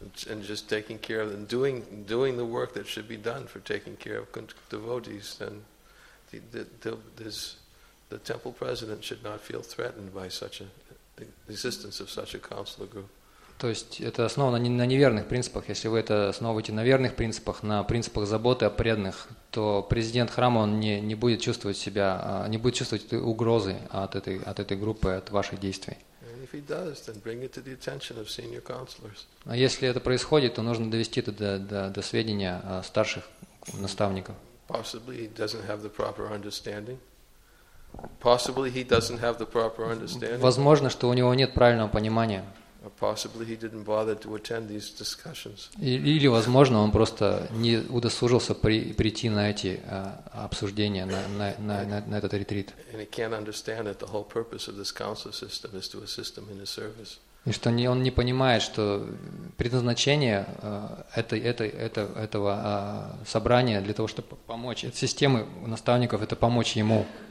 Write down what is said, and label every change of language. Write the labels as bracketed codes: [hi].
[en] And just taking care of them, doing the work that should be done for taking care of devotees, then the temple president should not feel threatened by such a the existence of such a counselor group. [ru] То есть это основано не на неверных принципах. Если вы это основываете на верных принципах, на принципах заботы о преданных, то президент храма он не будет чувствовать себя, не будет чувствовать угрозы от этой группы, от ваших действий. [en] If he does, then bring it to the attention of senior counselors. [ru] А если это происходит, то нужно довести это до сведения старших наставников. [en] Possibly he doesn't have the proper understanding. Possibly he doesn't have the proper understanding. [ru] Возможно, что у него нет правильного понимания. [en] Possibly he didn't bother to attend these discussions. [ru] Или, возможно, он просто не удосужился прийти на эти обсуждения, на этот ретрит. [en] And he can't understand that the whole purpose of this council system is to assist him in his service. [ru] И что он не понимает, что предназначение этого собрания для того, чтобы помочь этой системе наставников, это помочь ему.